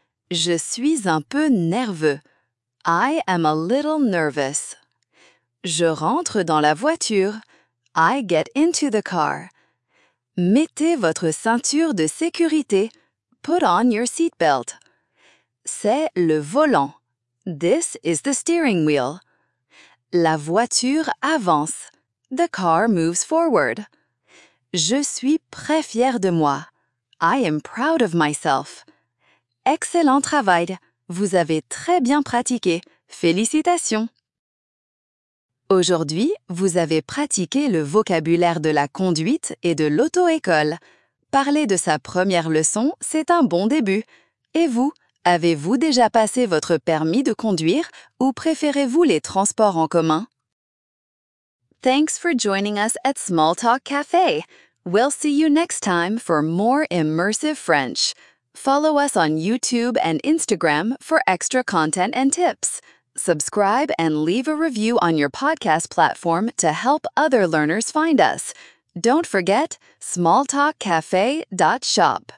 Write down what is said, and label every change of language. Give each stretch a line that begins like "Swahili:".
French: Je suis un peu nerveux.
English: I am a little nervous.
French: Je rentre dans la voiture.
English: I get into the car.
French: Mettez votre ceinture de sécurité.
English: Put on your seatbelt.
French: C'est le volant.
English: This is the steering wheel.
French: La voiture avance.
English: The car moves forward.
French: Je suis très fier de moi.
English: I am proud of myself.
French: Excellent travail. Vous avez très bien pratiqué. Félicitations. Aujourd'hui, vous avez pratiqué le vocabulaire de la conduite et de l'auto-école. Parler de sa première leçon, c'est un bon début. Et vous? Avez-vous déjà passé votre permis de conduire ou préférez-vous les transports en commun?
English: Thanks for joining us at Smalltalk Cafe. We'll see you next time for more immersive French. Follow us on YouTube and Instagram for extra content and tips. Subscribe and leave a review on your podcast platform to help other learners find us. Don't forget, smalltalkcafe.shop.